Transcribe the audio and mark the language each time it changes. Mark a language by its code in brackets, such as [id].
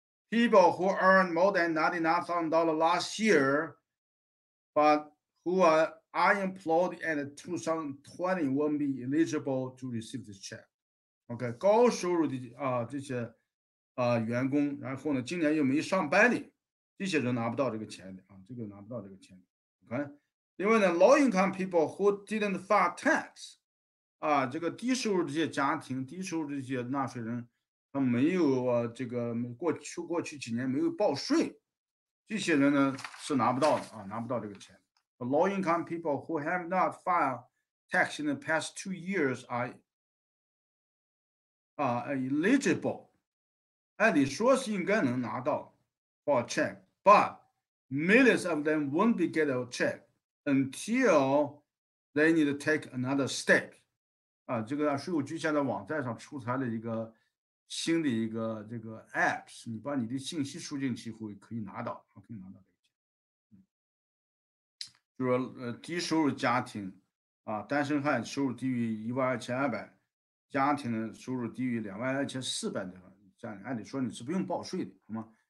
[en] People who earned more than $99,000 last year, but who are unemployed in 2020 won't be eligible to receive this check. [zh] OK，高收入的这些员工，然后呢，今年又没上班的，这些人拿不到这个钱的啊，这个拿不到这个钱的。 OK，另外呢， [en] low income people who didn't file tax， [zh] 这个低收入这些家庭，低收入这些纳税人。他没有这个过去几年没有报税，这些人呢是拿不到的啊，拿不到这个钱。 [en] Low income people who have not filed tax in the past 2 years are eligible。 [zh] 按理说是应该能拿到报 [en] check，but millions of them won't be get a check until they need to take another step。 [zh] 这个税务局现在网站上出台了一个。新的一个这个 apps，你把你的信息输进去会可以拿到，可以拿到这个钱。就说低收入家庭单身汉收入低于12200，家庭呢收入低于22400的家庭，按理说你是不用报税的，好吗？